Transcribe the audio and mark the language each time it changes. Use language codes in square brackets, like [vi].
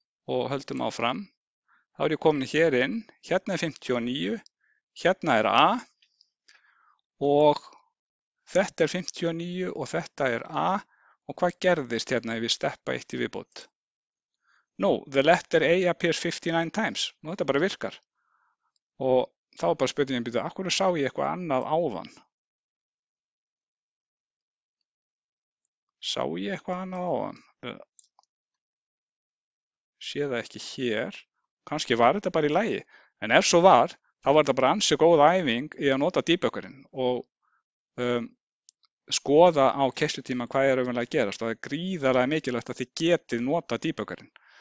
[is] og höldum áfram, þá er ég komin hér inn, hérna er 59, hérna er A og þetta er 59 og þetta er A og hvað gerðist hérna ef við steppa eitt í viðbót? [en] Nú, the letter A appears 59 times. [is] Nú, þetta bara virkar. Og þá er bara spurningin býta, akkur sá ég eitthvað annað áðan? Sá ég eitthvað annað áðan? Sé það ekki hér? Kannski var þetta bara í lagi. En ef svo var, þá var þetta bara ansi góð æfing í að nota debuggerinn og skoða á keyslutíma hvað er auðvitað að gerast og það er gríðarlega mikilvægt að þið getið nota debuggerinn.